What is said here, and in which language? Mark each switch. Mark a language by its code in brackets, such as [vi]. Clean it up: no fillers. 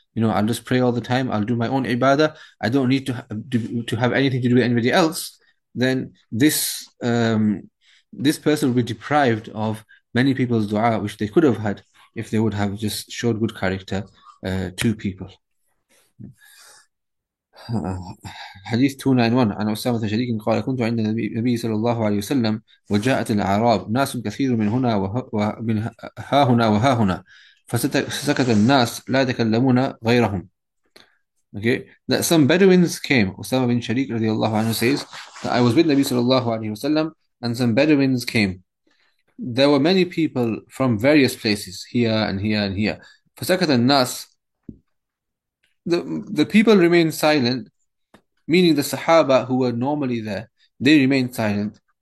[en] You know, I'll just pray all the time. I'll do my own ibadah. I don't need to have anything to do with anybody else. Then this person will be deprived of many people's dua, which they could have had if they would have just showed good character to people. Hadith 291. [ar] عن أسامة شريك قال كنت عند النبي صلى الله عليه وسلم وجاءت الأعراب ناس كثير من هنا ومن ها هنا وها هنا فسكت الناس لا يتكلمون غيرهم. [en] Okay, that some Bedouins came. Usama bin Shariq radiallahu anhu says that I was with Nabi sallallahu alayhi wa sallam and some Bedouins came. There were many people from various places, here and here and here. [ar] فسكت الناس, [en] the people remained silent, meaning the Sahaba who were normally there, they remained silent.